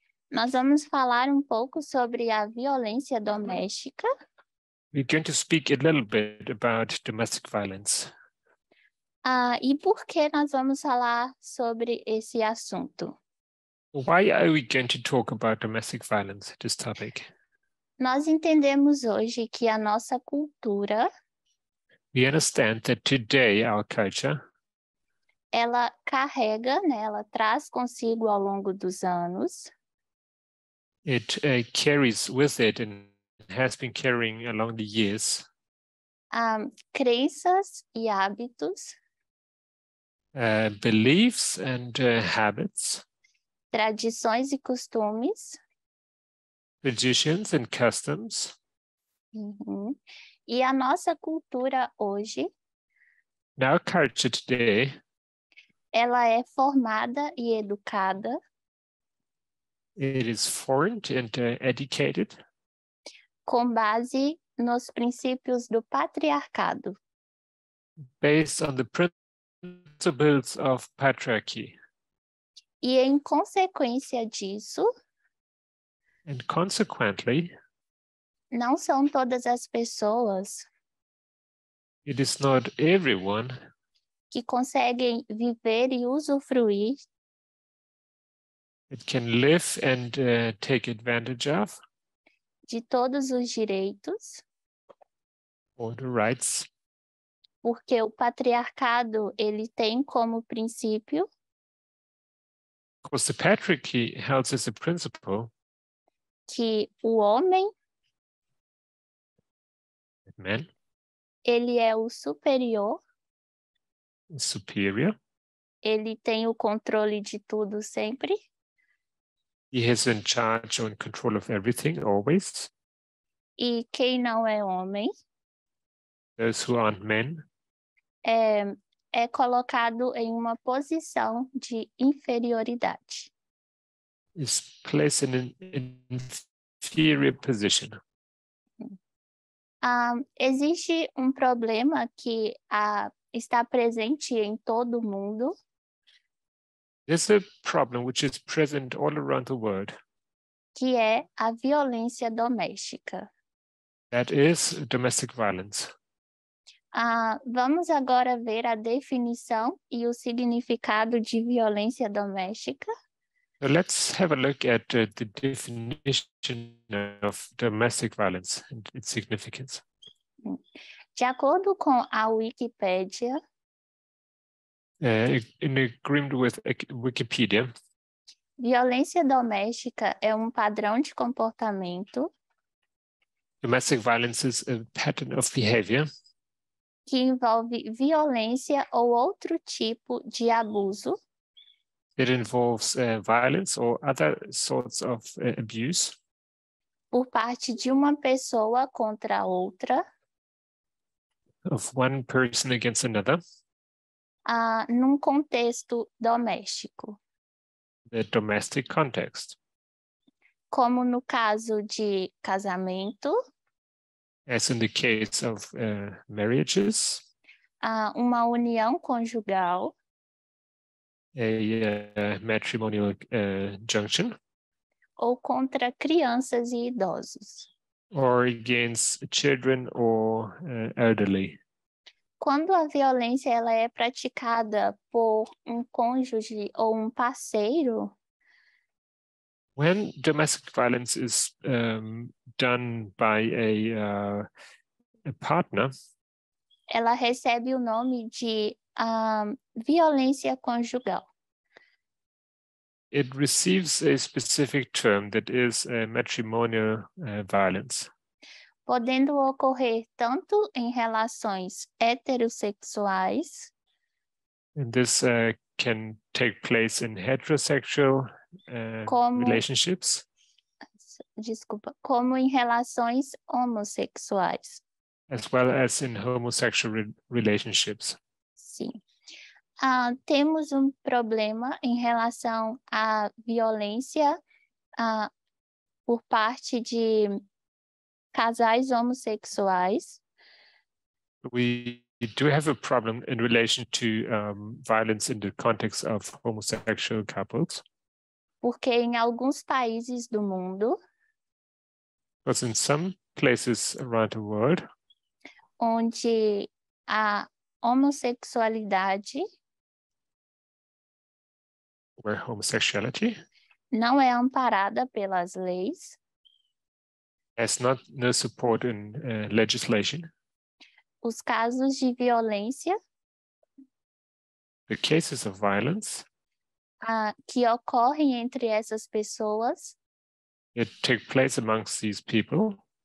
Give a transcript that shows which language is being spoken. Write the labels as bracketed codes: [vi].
[pt] nós vamos falar um pouco sobre a violência doméstica. [en] We're going to speak a little bit about domestic violence. [pt] E por que nós vamos falar sobre esse assunto? [en] Why are we going to talk about domestic violence, this topic? [pt] Nós entendemos hoje que a nossa cultura, [en] we understand that today our culture, [pt] ela carrega, né, ela traz consigo ao longo dos anos. [en] It carries with it and has been carrying along the years. [pt] Crenças e hábitos. [en] Beliefs and habits. [pt] Tradições e costumes. [en] Traditions and customs. [pt] E a nossa cultura hoje, [en] now culture today, [pt] ela é formada e educada. [en] It is formed and educated. [pt] Com base nos princípios do patriarcado. [en] Based on the principles of patriarchy. [pt] E em consequência disso, [en] and consequently, [pt] não são todas as pessoas, [en] it is not everyone, [pt] que conseguem viver e usufruir, [en] it can live and take advantage of, [pt] de todos os direitos, [en] all the rights, [pt] porque o patriarcado, ele tem como princípio, [en] because the patriarchy held as a principle, [pt] que o homem, [en] man, [pt] ele é o superior, [en] superior, [pt] ele tem o controle de tudo sempre, [en] he has in charge and control of everything always, [pt] e quem não é homem, [en] those who aren't men, [pt] é colocado em uma posição de inferioridade, [en] is placed in an inferior position. [pt] Existe um problema que está presente em todo o mundo. [en] There's a problem which is present all around the world. [pt] Que é a violência doméstica. [en] That is domestic violence. [pt] Vamos agora ver a definição e o significado de violência doméstica. [en] So let's have a look at the definition of domestic violence and its significance. [pt] De acordo com a Wikipédia, [en] in agreement with Wikipedia, [pt] violência doméstica é um padrão de comportamento. [en] Domestic violence is a pattern of behavior [pt] que envolve violência ou outro tipo de abuso. [en] It involves violence or other sorts of abuse. [pt] Por parte de uma pessoa contra a outra. [en] Of one person against another. [pt] Num contexto doméstico. [en] the domestic context. [pt] Como no caso de casamento. [en] As in the case of marriages. [pt] Uma união conjugal. [en] A matrimonial junction. [pt] Ou contra crianças e idosos. [en] Or against children or elderly. [pt] Quando a violência ela é praticada por um cônjuge ou um parceiro. [en] When domestic violence is done by a partner. [pt] Ela recebe o nome de violência conjugal. [en] It receives a specific term that is matrimonial violence. [pt] Podendo ocorrer tanto em relações heterossexuais. [en] And this can take place in heterosexual como, relationships. [pt] Desculpa, como em relações homossexuais. [en] As well as in homosexual relationships. [pt] Sim. Temos problema em relação à violência por parte de casais homossexuais. [en] We do have a problem in relation to violence in the context of homosexual couples. [pt] Porque em alguns países do mundo. [en] But in some places around the world. [pt] Onde a homossexualidade. [en] Where homosexuality. [pt] Não é amparada pelas leis. [en] Has not no support in legislation. [pt] Os casos de violência. [en] The cases of violence. [pt] Que ocorrem entre essas pessoas. [en] It take place amongst these people.